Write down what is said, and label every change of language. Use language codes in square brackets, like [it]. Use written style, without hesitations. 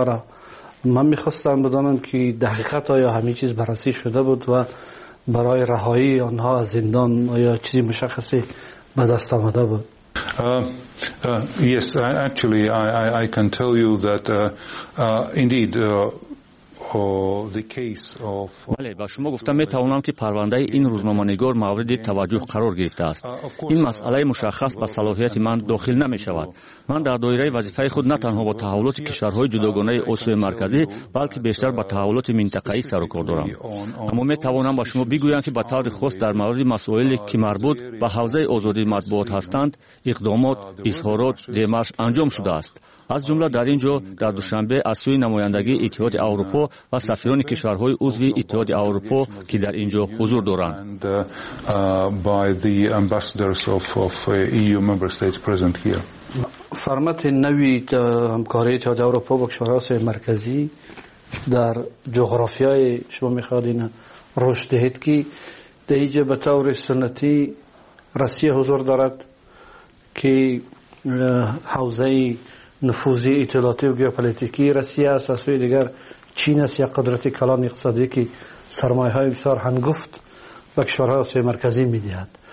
[fa] برای من میخواستم بدانم که دقیقت آیا همین چیز بررسی شده بود و برای رهایی آنها از زندان آیا چیزی مشخصی به دست آمده بود؟ [en] Yes, actually, I can tell you that indeed. [fa] بله با شما گفتم می توانم که پرونده این روزنامه‌نگار مورد توجه قرار گرفته است. این مسئله مشخص با صلاحیت من داخل نمی شود. من در دایره وظیفه خود نه تنها با تحولات کشورهای جداگانه آسیای مرکزی بلکه بیشتر با تحولات منطقه‌ای سر و کار دارم. اما می توانم با شما بگویم که به طور خاص در مورد مسائلی که مربوط به حوزه آزادی مطبوعات هستند اقدامات، اظهارات، دمارش انجام شده است. از جمله در اینجا در دوشنبه از سوی نمایندگی اتحاد اروپا و سفیران کشورهای عضو اتحاد اروپا که در اینجا حضور دارند [en] by the ambassadors of EU member states present here. [fa] فرمت نوی همکاری اتحاد اروپا با کشورهای آسیای مرکزی در جغرافیای شما میخواد این رشد دهد که در اینجا به طور سنتی روسیه حضور دارد که حوزه نفوذی اطلاعاتی و گیوپولیتیکی روسیه است، از سوی دیگر چین است، یک قدرت کلان اقتصادی که سرمایه های بسیار هنگفت و کشورهای آسیای مرکزی می دهد.